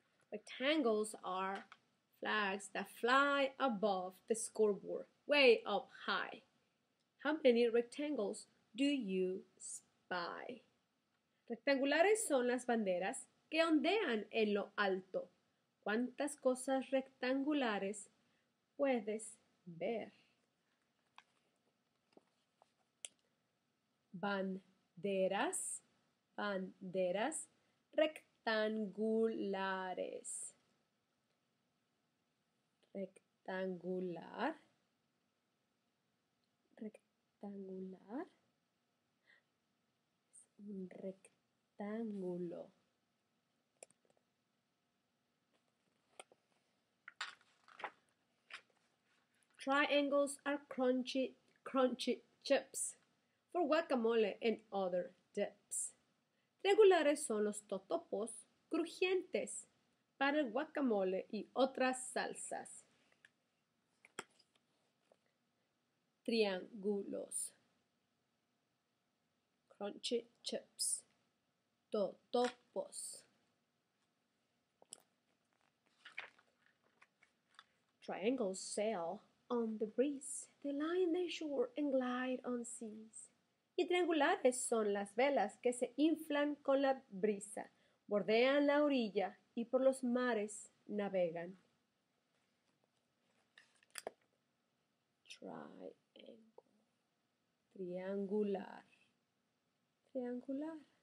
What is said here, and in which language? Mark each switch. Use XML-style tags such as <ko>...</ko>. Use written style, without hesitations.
<en>Rectangles are flags that fly above the scoreboard, way up high. How many rectangles do you spy?</en> <es>Rectangulares son las banderas que ondean en lo alto. ¿Cuántas cosas rectangulares puedes ver? Banderas, banderas, rectangulares. Rectangular, rectangular, es un rectángulo.</es> <en>Triangles are crunchy, crunchy chips for guacamole and other dips.</en> <es>Triangulares son los totopos crujientes para el guacamole y otras salsas. Triángulos.</es> <en>Crunchy chips. Totopos. Triangles sail on the breeze. They lie on the shore and glide on seas.</en> <es>Y triangulares son las velas que se inflan con la brisa. Bordean la orilla y por los mares navegan.</es> <en>Triangle. Triangular. Triangular.</en>